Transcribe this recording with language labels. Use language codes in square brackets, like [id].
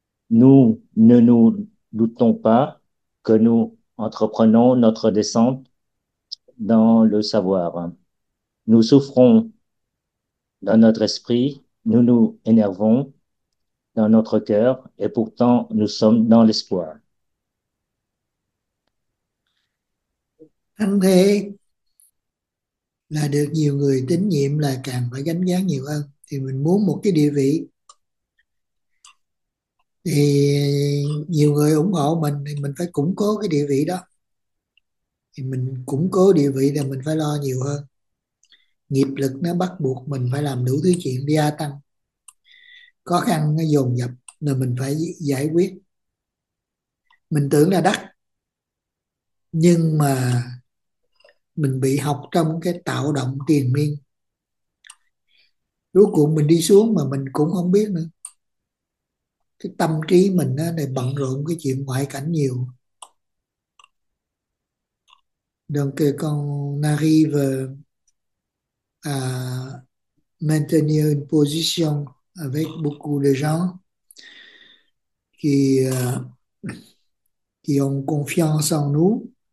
[fr] Nous ne nous doutons pas que nous entreprenons notre descente dans le savoir. Nous souffrons dans notre esprit, nous nous énervons dans notre cœur et pourtant nous sommes dans l'espoir. [vi] Thắng thế là được nhiều người tín nhiệm, là càng phải gánh vác nhiều hơn. Thì mình muốn một cái địa vị thì nhiều người ủng hộ mình, thì mình phải củng cố cái địa vị đó. Thì mình củng cố địa vị là mình phải lo nhiều hơn, nghiệp lực nó bắt buộc mình phải làm đủ thứ chuyện để gia tăng, khó khăn nó dồn dập là mình phải giải quyết. Mình tưởng là đắc nhưng mà mình bị học trong cái tạo động triền miên, rốt cuộc mình đi xuống mà mình cũng không biết nữa. Cái tâm trí mình á, này bận rộn cái chuyện ngoại cảnh nhiều. [fr] Donc on arrive à maintenir une position avec beaucoup de gens qui ont confiance en nous.